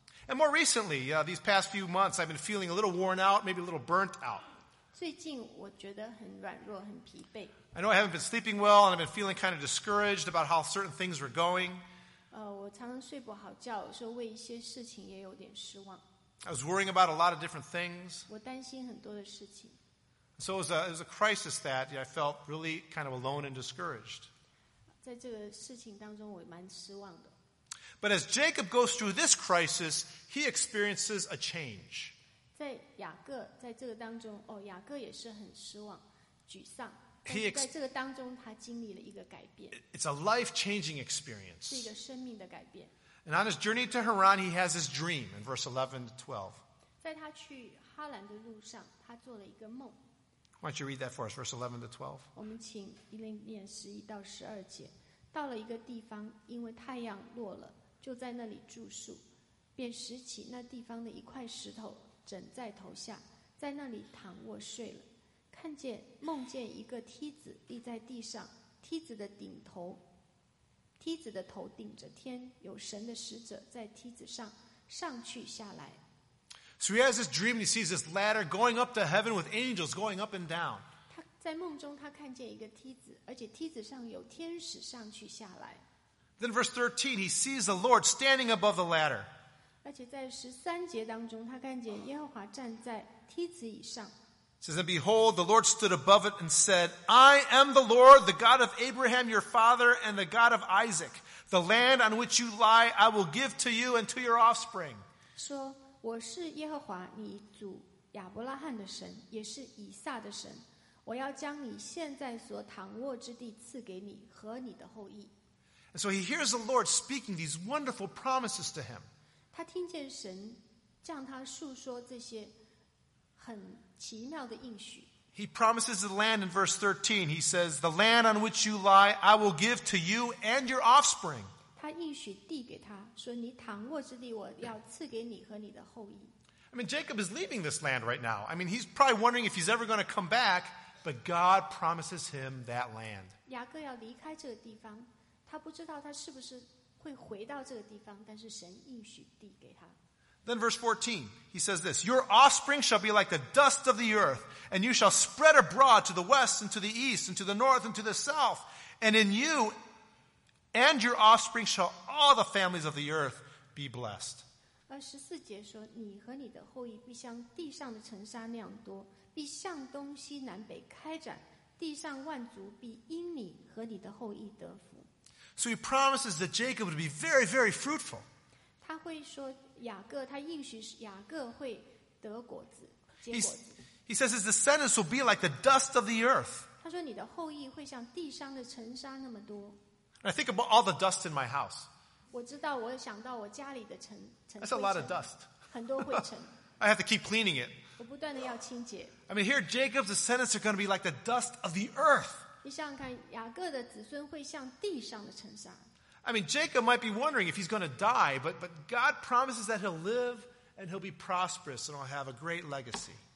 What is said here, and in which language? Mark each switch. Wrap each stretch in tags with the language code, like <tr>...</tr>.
<en>And more recently, these past few months, I've been feeling a little worn out, maybe a little burnt out.</en> <zh>最近我觉得很软弱，很疲惫。</zh> <en>I know I haven't been sleeping well, and I've been feeling kind of discouraged about how certain things were going.</en> <zh>我常常睡不好觉，有时候为一些事情也有点失望。</zh> <en>I was worrying about a lot of different things.</en> <zh>我担心很多的事情。</zh> <en>So it was a crisis that I felt really kind of alone and discouraged.</en> <zh>在这个事情当中，我蛮失望的。</zh> <en>But as Jacob goes through this crisis, he experiences a change.</en> <zh>在雅各在这个当中，雅各也是很失望、沮丧。但是在这个当中，他经历了一个改变。</zh> <en>It's a life-changing experience.</en> <zh>是一个生命的改变。</zh> <en>And on his journey to Haran, he has his dream in verse 11 to 12.</en> <zh>在他去哈兰的路上，他做了一个梦。</zh> <en>Why don't you read that for us, verse 11 to 12?</en> <zh>我们请伊琳念11到12节。到了一个地方，因为太阳落了，就在那里住宿，便拾起那地方的一块石头枕在头下，在那里躺卧睡了。梦见一个梯子立在地上，梯子的头顶着天，有神的使者在梯子上上去下来。</zh> <en>So he has this dream, and he sees this ladder going up to heaven with angels going up and down.</en> <zh>他在梦中他看见一个梯子，而且梯子上有天使上去下来。</zh> <en>Then verse 13, he sees the Lord standing above the ladder.</en> <zh>而且在十三节当中，他看见耶和华站在梯子以上。</zh> <en>It says, and behold, the Lord stood above it and said, I am the Lord, the God of Abraham, your father, and the God of Isaac. The land on which you lie, I will give to you and to your offspring.</en> <zh>说我是耶和华，你祖亚伯拉罕的神，也是以撒的神。我要将你现在所躺卧之地赐给你和你的后裔。</zh> <en>And so he hears the Lord speaking these wonderful promises to him.</en> <zh>他听见神向他述说这些很奇妙的应许。</zh> <en>He promises the land in verse 13. He says, "The land on which you lie, I will give to you and your offspring."</en> <zh>他应许递给他说，你躺卧之地，我要赐给你和你的后裔。</zh> <en>I mean, Jacob is leaving this land right now. I mean, he's probably wondering if he's ever going to come back, but God promises him that land.</en> <zh>雅各要离开这个地方，他不知道他是不是会回到这个地方，但是神应许递给他。</zh> <en>Then verse 14, he says this, your offspring shall be like the dust of the earth, and you shall spread abroad to the west and to the east and to the north and to the south. And in you and your offspring shall all the families of the earth be blessed.</en> <zh>24节说, 你和你的后裔必像地上的尘沙那样多, 必向东西南北开展, 地上万族必因你和你的后裔得福。</zh> <en>So he promises that Jacob would be very, very fruitful.</en> <zh>他会说雅各会得果子,</zh> <en>he says his descendants will be like the dust of the earth.</en> <zh>他说你的后裔会像地上的尘沙那么多。</zh> <en>I think about all the dust in my house.</en> <zh>我知道我想到我家里的尘,</zh> <en>That's a lot of dust.</en> <zh>很多灰尘。</zh> <en>I have to keep cleaning it.</en> <zh>我不断地要清洁。</zh> <en>I mean, here Jacob's descendants are going to be like the dust of the earth.</en> <zh>你想想看,</zh> <en>I mean, Jacob might be wondering if he's going to die, but God promises that he'll live and he'll be prosperous and he'll have a great legacy.</en>